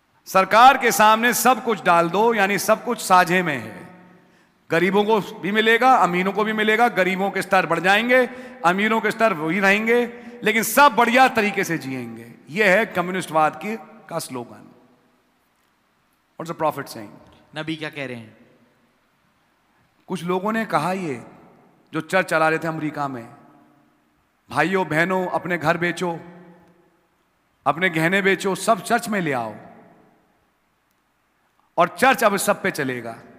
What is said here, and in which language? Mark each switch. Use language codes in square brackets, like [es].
[hi] सरकार के सामने सब कुछ डाल दो, यानी सब कुछ साझे में है। गरीबों को भी मिलेगा, अमीरों को भी मिलेगा, गरीबों के स्तर बढ़ जाएंगे, अमीरों के स्तर वही रहेंगे, लेकिन सब बढ़िया तरीके से जिएंगे। यह है कम्युनिस्टवाद की का slogan. [en] What's the prophet saying? [hi] नबी क्या कह रहे हैं? कुछ लोगों ने कहा, ये जो चर्च चला रहे थे अमेरिका में, भाइयों बहनों अपने घर बेचो, अपने गहने बेचो, सब चर्च में ले आओ और चर्च अब सब पे चलेगा।